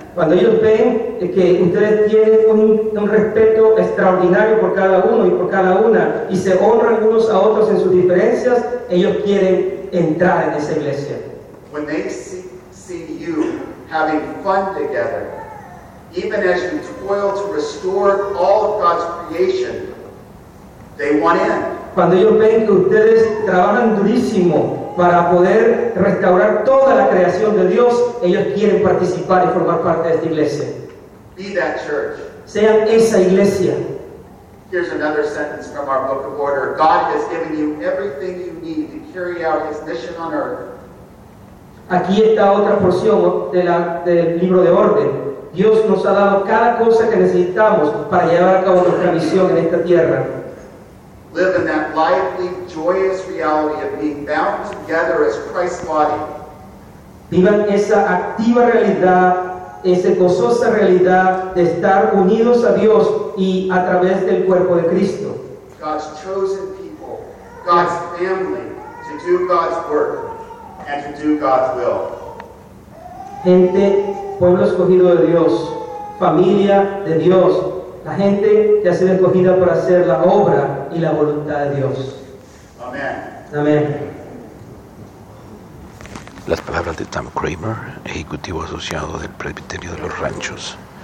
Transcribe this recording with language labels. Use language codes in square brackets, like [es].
[es] Cuando ellos ven que ustedes tienen un respeto extraordinario por cada uno y por cada una y se honran unos a otros en sus diferencias, ellos quieren entrar en esa iglesia. [en] When they see you having fun together, even as you toil to restore all of God's creation, they want in. [es] Cuando ellos ven que ustedes trabajan durísimo para poder restaurar toda la creación de Dios, ellos quieren participar y formar parte de esta iglesia. [en] Be that church. [es] Sean esa iglesia. [en] Here's another sentence from our Book of Order. God has given you everything you need to carry out his mission on earth. [es] Aquí está otra porción de del libro de orden. Dios nos ha dado cada cosa que necesitamos para llevar a cabo nuestra misión en esta tierra. [en] Live in that lively, joyous reality of being bound together as Christ's body. [es] Vivan esa activa realidad, esa gozosa realidad de estar unidos a Dios y a través del cuerpo de Cristo. [en] God's chosen people, God's family, to do God's work and to do God's will. [es] Gente, pueblo escogido de Dios, familia de Dios, la gente que ha sido escogida para hacer la obra y la voluntad de Dios. Amén. Amén. Las palabras de Tom Kramer, ejecutivo asociado del Presbiterio de los Ranchos.